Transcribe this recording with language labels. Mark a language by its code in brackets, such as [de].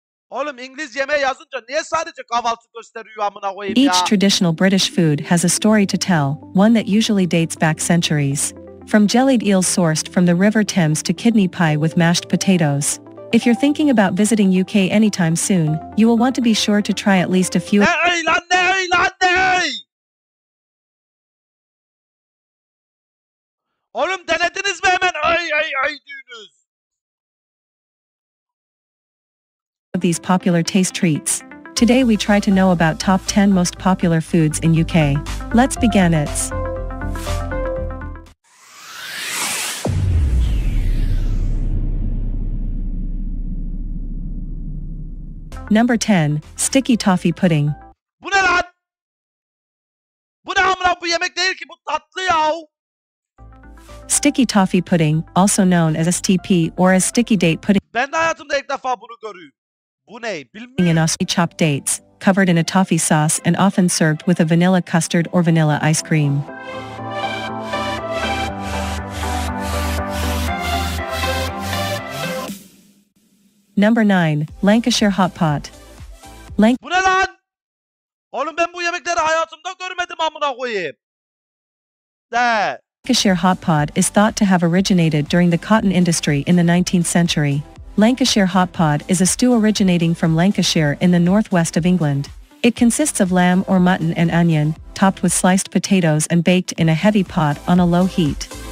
[tr] Oğlum İngiliz yemeği yazınca niye sadece kahvaltı gösteriyor amına koyayım [en] Each [tr] ya? [en] traditional British food has a story to tell, one that usually dates back centuries. From jellied eels sourced from the River Thames to kidney pie with mashed potatoes. If you're thinking about visiting UK anytime soon, you will want to be sure to try at least a few. [tr] Ne ey lan ne ey lan ne ey! Oğlum denediniz mi hemen ay ay ay düğünüz? [en] Of these popular taste treats. Today we try to know about top 10 most popular foods in UK. Let's begin it. Number 10, sticky toffee pudding. [tr] Bu ne lan? Bu ne amına bu yemek değil ki bu tatlı ya. [en] Sticky toffee pudding, also known as STP or as sticky date pudding. [tr] Ben de hayatımda ilk defa bunu görüyorum. Bu ne? [en] In Aussie chopped dates, covered in a toffee sauce and often served with a vanilla custard or vanilla ice cream. Number 9, Lancashire hot pot. [tr] Bu ne lan? Oğlum ben bu yemekleri hayatımda görmedim amına koyayım. De. [en] Lancashire hot pot is thought to have originated during the cotton industry in the 19th century. Lancashire hot pot is a stew originating from Lancashire in the northwest of England. It consists of lamb or mutton and onion, topped with sliced potatoes and baked in a heavy pot on a low heat.